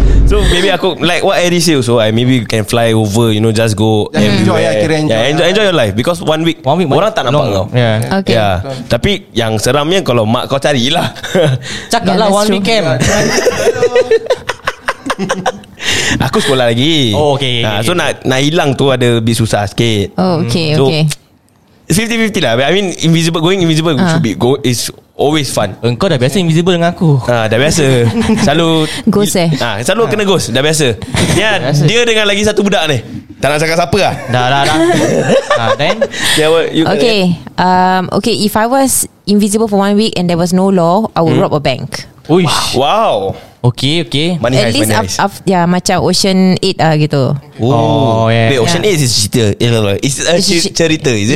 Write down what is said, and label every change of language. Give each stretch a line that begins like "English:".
English: So maybe
Malay: aku,
English: like what Eddie say also, I maybe can fly over, you know, just go enjoy, enjoy your life. Because one week
Malay: orang tak nampak kau.
English: Okay.
Malay: Tapi yang seramnya kalau mak kau carilah. Cakap lah
English: one week.
Malay: Aku sekolah lagi.
English: Oh, okay.
Malay: Nah, so nak hilang tu ada lebih susah sikit.
English: Oh, okay, so, okay. 50-50 lah. I mean, invisible, going invisible should be go is always fun.
Malay: Engkau dah biasa invisible dengan aku. Dah biasa. Selalu
English: ghost eh.
Malay: Selalu kena ghost, dah biasa. Ya, dia dengan lagi satu budak ni. Tak nak cakap siapa lah. Dah. Then
English: yeah, well, you, okay. Okay, if I was invisible for one week and there was no law, I would rob a bank. Uish. Wow. Okay. Money at least money up, yeah,
Malay: macam Ocean 8 lah gitu.
English: Oh yeah. Wait, Ocean 8 is a cerita. It's a cerita, is it?